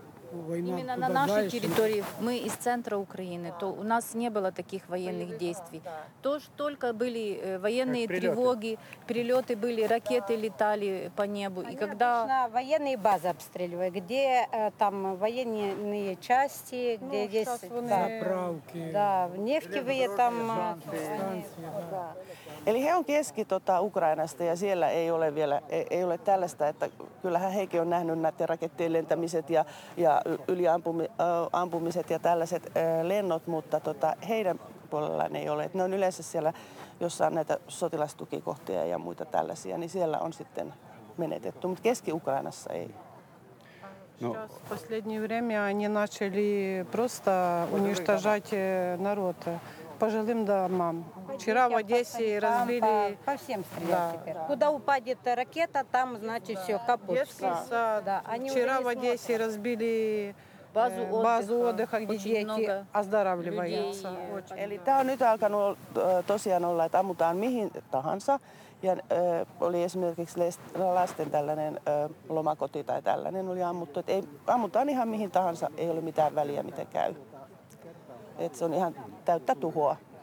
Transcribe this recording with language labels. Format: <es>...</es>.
<ru>Война именно на нашей территории, мы из центра Украины, то у нас не было таких военных действий. То, что только были военные тревоги, перелеты были, ракеты летали по небу. И когда военные базы обстреливают, где там военные части, где есть заправки, да, нефтевые там станции.</ru> <fi>Eli he on keski Ukrainasta ja siellä ei ole vielä ei ole tällaista, että kyllähän hekin on nähnyt näiden rakettien lentämiset ja yliampumiset ja tällaiset lennot, mutta heidän puolellaan ei ole. Et ne on yleensä siellä, jossa on näitä sotilastukikohtia ja muita tällaisia, niin siellä on sitten menetetty, mutta Keski-Ukrainassa ei.</fi> <ru>Сейчас, в последнее время они начали просто уничтожать народ по жилым домам. Вчера в Одессе разбили... По всем стрелять теперь. Куда упадет ракета, там, значит, все, капут. Детский сад. Вчера в Одессе разбили базу отдыха, где дети оздоравливаются.</ru> <fi>Eli tämä on nyt alkanut tosiaan olla, että ammutaan mihin tahansa. Ja oli esimerkiksi lasten tällainen lomakoti tai tällainen oli ammuttu. Että ei, ammutaan ihan mihin tahansa, ei ole mitään väliä, mitä käy. Että se on ihan täyttä tuhoa.</fi>